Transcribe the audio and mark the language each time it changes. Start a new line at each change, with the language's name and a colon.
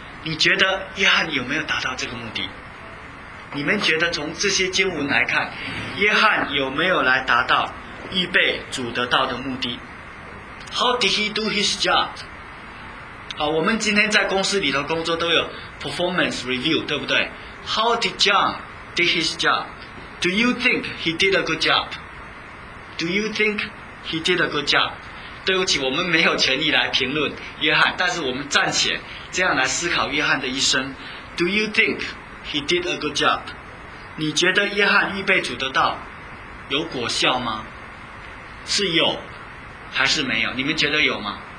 Chinese: 你觉得约翰有没有达到这个目的？你们觉得从这些经文来看，约翰有没有来达到预备主的道的目的？
English: How did he do his job?
Chinese: 好，我们今天在公司里头工作都有
English: performance review，
Chinese: 对不对？
English: How did John do his job? Do you think he did a good job? Do you think he did a good job?
Chinese: 对不起，我们没有权利来评论约翰，但是我们暂且这样来思考约翰的一生。
English: Do you think he did a good job?
Chinese: 你觉得约翰预备主的道有果效吗？是有还是没有？你们觉得有吗？